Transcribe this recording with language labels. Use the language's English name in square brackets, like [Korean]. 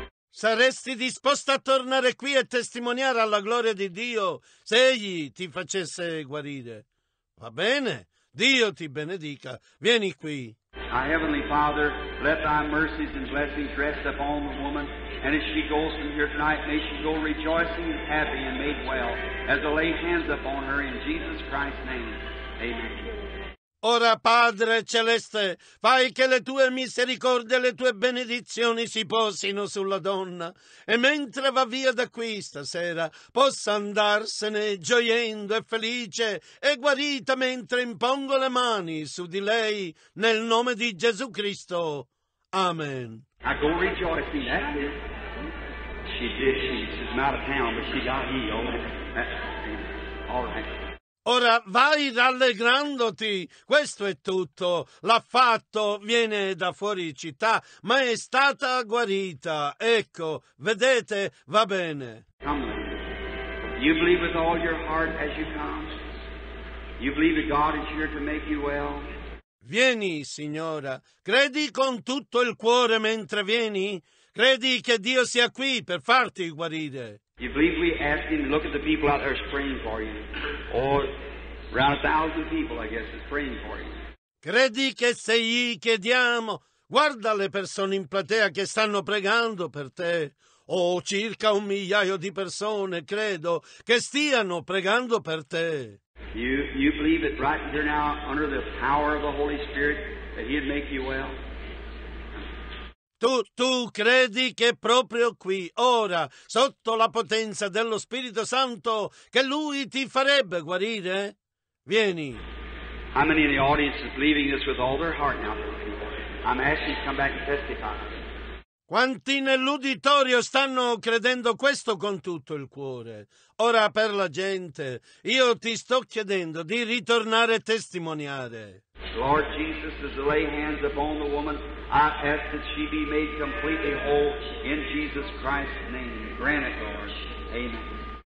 [Italian] Saresti disposta a tornare qui e testimoniare alla gloria di Dio se Egli ti facesse guarire? Va bene, Dio ti benedica. Vieni qui. [English] My Heavenly Father, let thy mercies and blessings rest upon the woman, and as she goes from here tonight, may she go rejoicing and happy and made well, as I lay hands upon her in Jesus Christ's name. Amen. [Italian] Ora, Padre Celeste, fai che le tue misericordie e le tue benedizioni si posino sulla donna e mentre va via da qui stasera possa andarsene gioiendo e felice e guarita mentre impongo le mani su di lei nel nome di Gesù Cristo. Amen. [English] I go rejoicing, that is. She did. She's not a town, but she got healed. All right. [Italian] Ora vai rallegrandoti, questo è tutto, l'ha fatto, viene da fuori città, ma è stata guarita, ecco, vedete, va bene. [English] Come, you believe with all your heart as you come, you believe that God is here to make you well. [Italian] Vieni, signora, credi con tutto il cuore mentre vieni, credi che Dio sia qui per farti guarire. [English] You believe we ask him to look at the people out there praying for you, or around 1,000 people, I guess, is praying for you. [Italian] Credi che se gli chiediamo, guarda le persone in platea che stanno pregando per te, o circa 1 migliaio di persone, credo, che stiano pregando per te. [English] You believe that right there now, under the power of the Holy Spirit, that he'd make you well? [Italian] Tu credi che proprio qui, ora, sotto la potenza dello Spirito Santo, che lui ti farebbe guarire? Vieni. [English] How many in the audience is believing this with all their heart now? I'm asking you to come back and testify. [Italian] Quanti nell'uditorio stanno credendo questo con tutto il cuore? Ora per la gente, io ti sto chiedendo di ritornare a testimoniare. [English] Lord Jesus, as I lay hands upon the woman, I ask that she be made completely whole in Jesus Christ's name. Grant it, Lord. Amen.